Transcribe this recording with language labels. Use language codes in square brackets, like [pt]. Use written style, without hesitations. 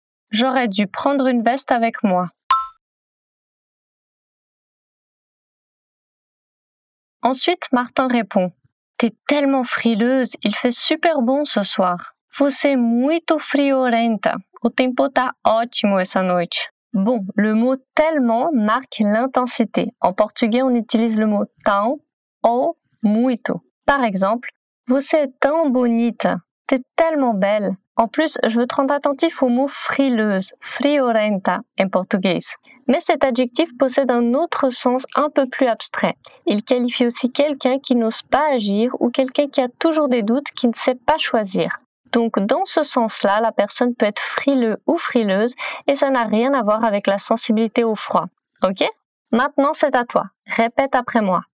[fr] J'aurais dû prendre une veste avec moi. Ensuite, Martin répond. T'es tellement frileuse, il fait super bon ce soir. [pt] Você muito friorenta. O tempo tá ótimo essa noite. [fr] Bon, le mot tellement marque l'intensité. En portugais, on utilise le mot tão ou muito. Par exemple, [pt] você é tão bonita. [fr] T'es tellement belle. En plus, je veux te rendre attentif au mot frileuse, friorenta en portugais. Mais cet adjectif possède un autre sens un peu plus abstrait. Il qualifie aussi quelqu'un qui n'ose pas agir ou quelqu'un qui a toujours des doutes, qui ne sait pas choisir. Donc dans ce sens-là, la personne peut être frileux ou frileuse et ça n'a rien à voir avec la sensibilité au froid. Ok? Maintenant c'est à toi. Répète après moi.